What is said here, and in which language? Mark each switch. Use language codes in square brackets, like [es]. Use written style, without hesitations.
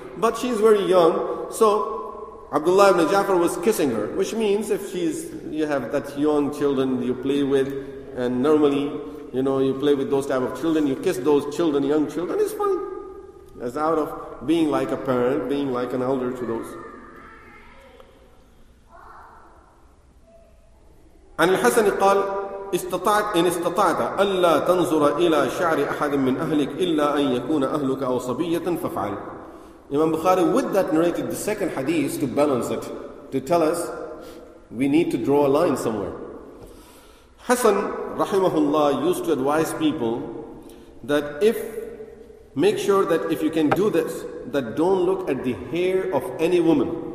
[en] But she's very young. So Abdullah ibn Ja'far was kissing her, which means if she's, you have that young children you play with, and normally, you know, you play with those type of children, you kiss those children, young children, it's fine. It's out of being like a parent, being like an elder to those. [ar] عن الحسن قال استطعت إن استطعت ألا تنظر إلى شعر أحد من أهلك إلا أن يكون أهلك أو صبية ففعل. [en] Imam Bukhari with that narrated the second hadith to balance it, to tell us we need to draw a line somewhere. Hassan rahimahullah used to advise people that if, make sure that if you can do this, that don't look at the hair of any woman.